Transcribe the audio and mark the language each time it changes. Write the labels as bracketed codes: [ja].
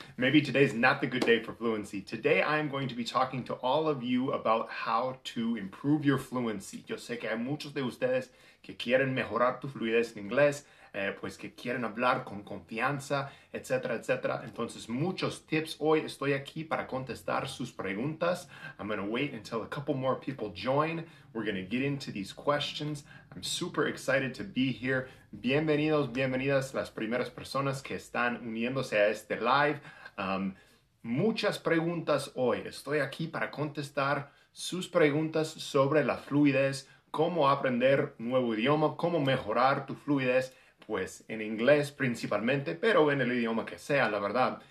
[en] Maybe today's not the good day for fluency. Today I am going to be talking to all of you about how to improve your fluency. [es] Yo sé que hay muchos de ustedes que quieren mejorar tu fluidez en inglés, pues que quieren hablar con confianza, etc., etc. Entonces, muchos tips. Hoy estoy aquí para contestar sus preguntas. [en] I'm going to wait until a couple more people join. We're going to get into these questions. I'm super excited to be here. [es] Bienvenidos, bienvenidas las primeras personas que están uniéndose a este live. Muchas preguntas hoy. Estoy aquí para contestar sus preguntas sobre la fluidez, cómo aprender nuevo idioma, cómo mejorar tu fluidez, pues en inglés principalmente, pero en el idioma que sea, la verdad.